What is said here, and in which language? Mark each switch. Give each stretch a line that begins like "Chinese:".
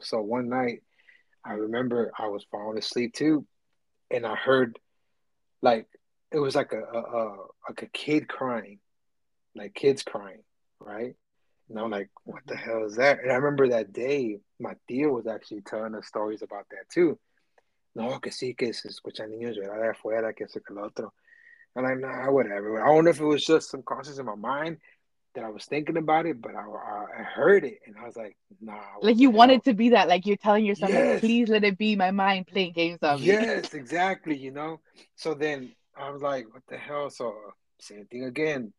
English: So one night, I remember I was falling asleep too, and I heard, like, it was like a kid crying, like kids crying, right? And I'm like, what the hell is that? And I remember that day, my tío was actually telling us stories about that too.
Spanish: No, que sí, que se escuchan niños llorar afuera, que se que el otro.
English: And I'm like, nah, whatever. I don't know if it was just some conscious in my mind that I was thinking about it, but I heard it and I was like, nah. Like you wanted to be that, like you're telling yourself, yes. Like, please let it be my mind playing games on me. Yes, exactly, you know? So then I was like, what the hell? So same thing again.